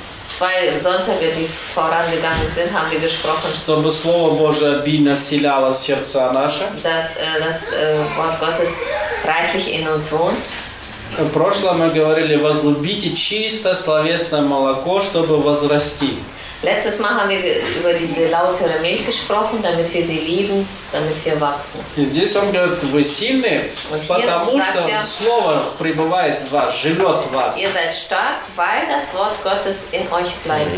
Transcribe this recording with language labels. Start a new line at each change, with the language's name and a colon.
German: Zwei Sonntage, die vorangegangen sind, haben wir gesprochen.
Russian: Чтобы Слово Божие обильно вселяло сердца наши.
German: Das Wort Gottes reichlich in uns wohnt.
Russian: В прошлом мы говорили, возлюбите чисто словесное молоко, чтобы возрасти.
German: Letztes Mal haben wir über diese lautere Milch gesprochen, damit wir sie lieben, damit wir wachsen.
Russian: Здесь он говорит, вы сильны, потому что слово пребывает в вас, живет в вас.
German: Ihr seid stark, weil das Wort Gottes in euch bleibt.